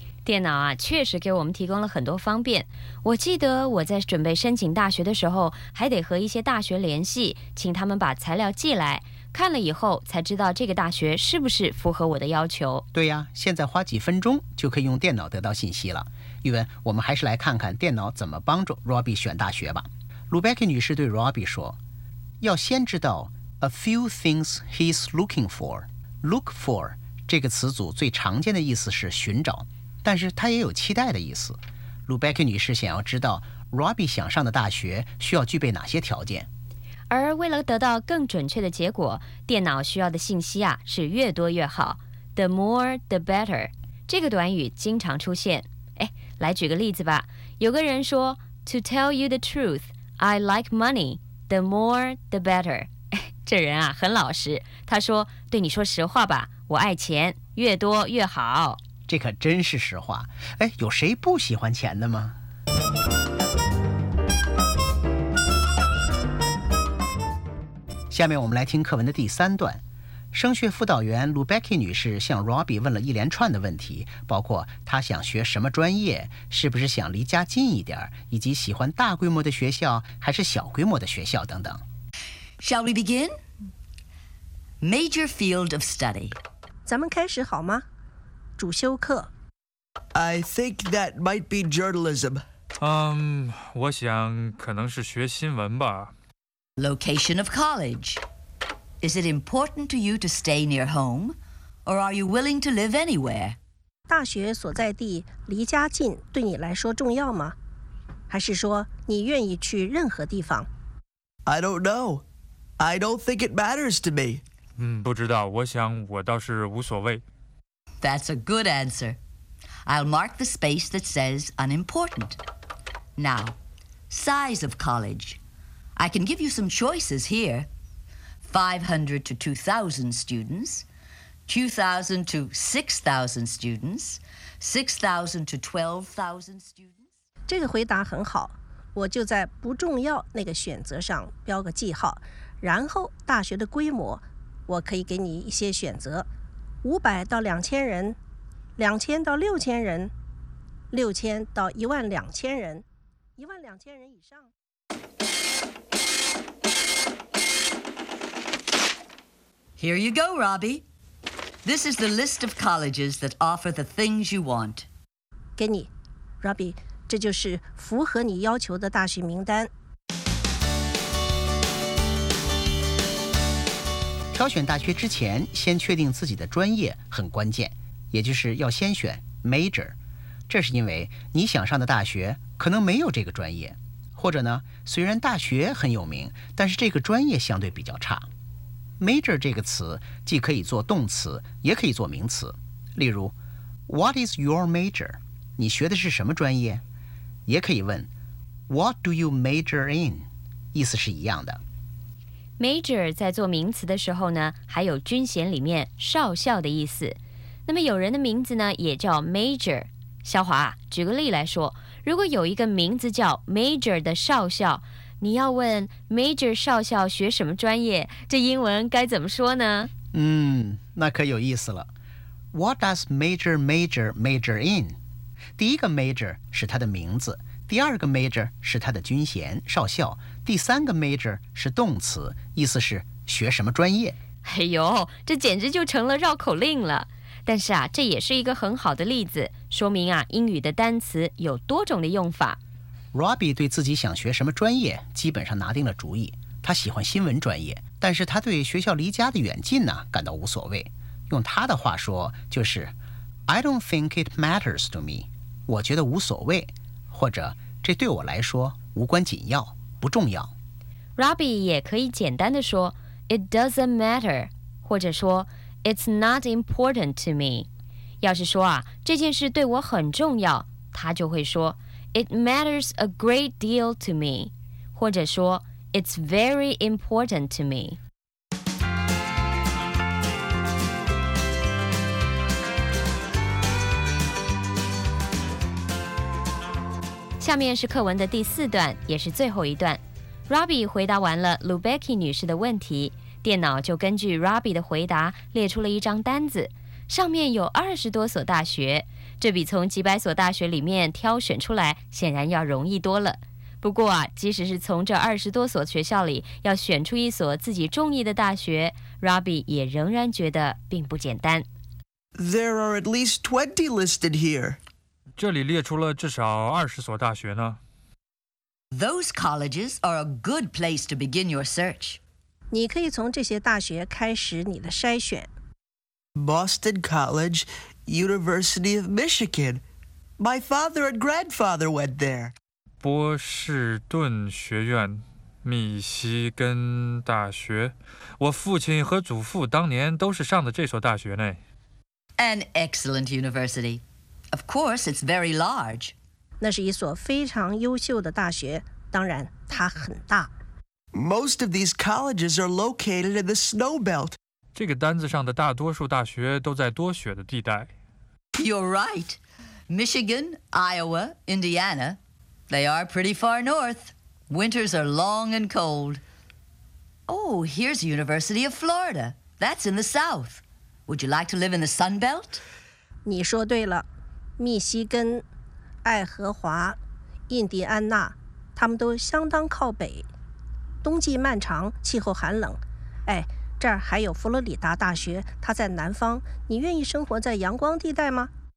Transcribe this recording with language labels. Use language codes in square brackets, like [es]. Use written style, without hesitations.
[zh] 电脑啊，确实给我们提供了很多方便。我记得我在准备申请大学的时候，还得和一些大学联系，请他们把材料寄来。看了以后才知道这个大学是不是符合我的要求。对呀，现在花几分钟就可以用电脑得到信息了。玉文，我们还是来看看电脑怎么帮助 Robbie 选大学吧。 Rebecca 女士对 Robbie 说，要先知道 [en] a few things he's looking for。 [zh] look for 这个词组最常见的意思是寻找，但是它也有期待的意思。 Rebecca 女士想要知道 Robbie 想上的大学需要具备哪些条件。而为了得到更准确的结果，电脑需要的信息啊是越多越好。 [en] The more the better [zh] 这个短语经常出现。哎，来举个例子吧。有个人说 [en] To tell you the truth, I like money. The more the better。 [zh] 这人啊很老实，他说对你说实话吧，我爱钱，越多越好。这可真是实话。哎，有谁不喜欢钱的吗？下面我们来听课文的第三段。升学辅导员 Rebecca 女士向 Robbie 问了一连串的问题，包括她想学什么专业，是不是想离家近一点，以及喜欢大规模的学校还是小规模的学校等等。 [en] Shall we begin? Major field of study. [zh] 咱们开始好吗？主修课。 [en] I think that might be journalism. [zh] 我想可能是学新闻吧。 [en] Location of college. Is it important to you to stay near home, or are you willing to live anywhere? [zh] 大学所在地离家近对你来说重要吗？还是说你愿意去任何地方？ [en] I don't know. I don't think it matters to me. [zh] 不知道，我想我倒是无所谓。 [en] That's a good answer. I'll mark the space that says unimportant. Now, size of college. I can give you some choices here. 500 to 2,000 students, 2,000 to 6,000 students, 6,000 to 12,000 students. [zh] 这个回答很好，我就在不重要那个选择上标个记号，然后大学的规模，我可以给你一些选择，500到2000人，2000到6000人，6000到12000人，12000人以上。 [en] Here you go, Robbie. This is the list of colleges that offer the things you want. [zh] 给你 ，Robbie， 这就是符合你要求的大学名单。挑选大学之前，先确定自己的专业很关键，也就是要先选 major。这是因为你想上的大学可能没有这个专业，或者呢，虽然大学很有名，但是这个专业相对比较差。 Major 这个词既可以做动词，也可以做名词。例如 [en] ，What is your major？ [zh] 你学的是什么专业？也可以问 [en] ，What do you major in？ [zh] 意思是一样的。 Major 在做名词的时候呢，还有军衔里面少校的意思。那么有人的名字呢，也叫 Major。小华，举个例来说，如果有一个名字叫 Major 的少校。你要问 Major 少校学什么专业，这英文该怎么说呢？那可有意思了。 [en] What does Major Major Major in? [zh] 第一个 Major 是他的名字，第二个 Major 是他的军衔少校，第三个 Major 是动词，意思是学什么专业。哎呦，这简直就成了绕口令了。但是啊，这也是一个很好的例子，说明啊，英语的单词有多种的用法。 Robbie 对自己想学什么专业基本上拿定了主意，他喜欢新闻专业，但是他对学校离家的远近呢感到无所谓。用他的话说就是 [en] I don't think it matters to me. [zh] 我觉得无所谓，或者这对我来说无关紧要，不重要。 Robbie 也可以简单的说 [en] It doesn't matter， [zh] 或者说 [en] It's not important to me。 [zh] 要是说啊，这件事对我很重要，他就会说 [en] It matters a great deal to me， [zh] 或者说 [en] It's very important to me。 [zh] 下面是课文的第四段，也是最后一段。Robbie 回答完了 Lubecki 女士的问题，电脑就根据 Robbie 的回答列出了一张单子，上面有20多所大学，这比从几百所大学里面挑选出来显然要容易多了。不过啊，即使是从这20多所学校里要选出一所自己中意的大学， Robbie 也仍然觉得并不简单。 [en] There are at least 20 listed here. [zh] 这里列出了至少20所大学呢。 [en] Those colleges are a good place to begin your search. [zh] 你可以从这些大学开始你的筛选。 [en] Boston College, University of Michigan. My father and grandfather went there. [zh] 波士顿学院，密西根大学。我父亲和祖父当年都是上的这所大学呢。 [en] An excellent university. Of course, it's very large. [zh] 那是一所非常优秀的大学，当然它很大。 [en] Most of these colleges are located in the snow belt. [zh] 这个单子上的大多数大学都在多雪的地带。 [en] You're right. Michigan, Iowa, Indiana, they are pretty far north. Winters are long and cold. Oh, here's University of Florida. That's in the south. Would you like to live in the sun belt? [zh] 你说对了，密西根。爱荷华、印第安纳，他们都相当靠北，冬季漫长，气候寒冷。哎，这儿还有佛罗里达大学，它在南方。你愿意生活在阳光地带吗